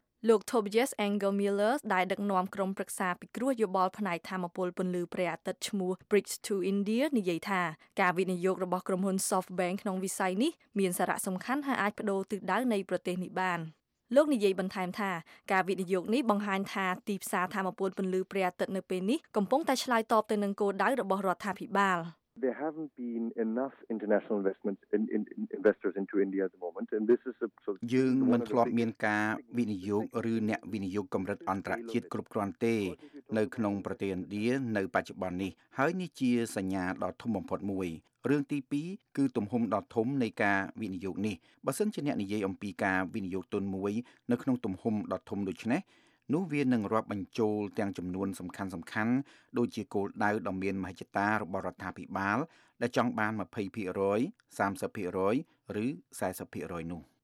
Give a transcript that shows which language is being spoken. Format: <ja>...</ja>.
<km>លោក Tobias Engelmiller ដែលដឹកនាំក្រុមប្រឹក្សាពិគ្រោះយោបល់ផ្នែកថាមពលពន្លឺព្រះអាទិត្យឈ្មោះ Bridge to India និយាយថាការវិនិយោគរបស់ក្រុមហ៊ុន SoftBank ក្នុងវិស័យនេះមានសារៈសំខាន់ហើយអាចបដូរទិសដៅនៃប្រទេសនេះបានលោកនិយាយបន្ថែមថាការវិនិយោគនេះបង្ហាញថាទីផ្សារថាមពលពន្លឺព្រះអាទិត្យនៅពេលនេះកំពុងតែឆ្លើយតបទៅនឹងគោលដៅរបស់រដ្ឋាភិបាល</km> <en>There haven't been enough international investments in investors into India at the moment and this is a so</en> <km>យើងមិនធ្លាប់មានការវិនិយោគឬអ្នកវិនិយោគកម្រិតអន្តរជាតិគ្រប់គ្រាន់ទេនៅក្នុងប្រទេសឥណ្ឌានៅបច្ចុប្បន្ននេះហើយនេះជាសញ្ញាដ៏ធំបំផុតមួយរឿងទី2គឺទំហំដ៏ធំនៃការវិនិយោគនេះបើសិនជាអ្នកនិយាយអំពីការវិនិយោគទុនមួយនៅក្នុងទំហំដ៏ធំដូច្នេះនោះវានឹងរាប់បញ្ចូលទាំងចំនួនសំខាន់ៗដូចជាគោលដៅដ៏មានមហិច្ឆតារបស់រដ្ឋាភិបាលដែលចង់បាន 20% 30% ឬ 40% នោះ</km>